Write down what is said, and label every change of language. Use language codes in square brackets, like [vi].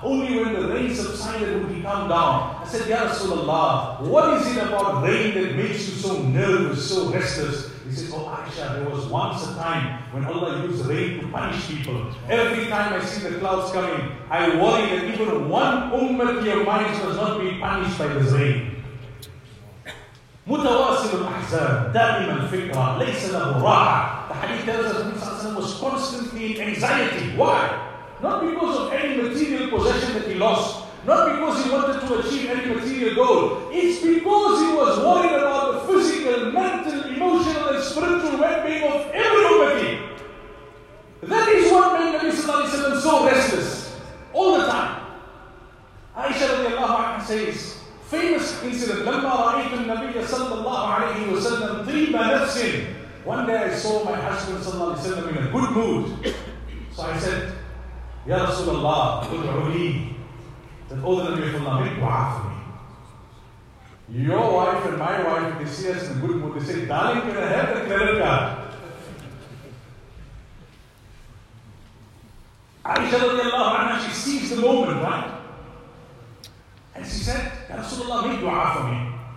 [en] Only when the rain subsided would he come down. I said, Ya Rasulullah, what is it about rain that makes you so nervous, so restless? He said, Oh Aisha, there was once a time when Allah used rain to punish people. Every time I see the clouds coming, I worry that even one ummati of mine does not be punished by this rain. [ar] متواصل الأحزان دائما الفكرة ليس له راحة. [en] The hadith tells us that Muhammad was constantly in anxiety. Why? Not because of any material possession that he lost. Not because he wanted to achieve any material goal. It's because he was worried about the physical, mental, emotional and spiritual well-being of every ummati. That is what made Nabi Sallallahu Alaihi Wasallam so restless. All the time. Aisha radiallahu anha says, famous incident, [ar] لَمَّا رَأَيْتُ النَّبِيَّ صَلَّى اللَّهُ عَلَيْهِ وَسَلَّمْ ضِرِيبَ نَفْسٍ. [en] One day I saw my husband صلى الله عليه وسلم in a good mood. So I said, [ar] يَا رَسُولَ اللَّهُ قُدْعُ لِي. [en] Then all the Nabi of Allah made dua for me. Your wife and my wife, they see us in a good mood, they say, darling, can I have the credit card? Aisha radiallahu anha, she sees the moment, right? And she said, Ya Rasulullah, make dua for me.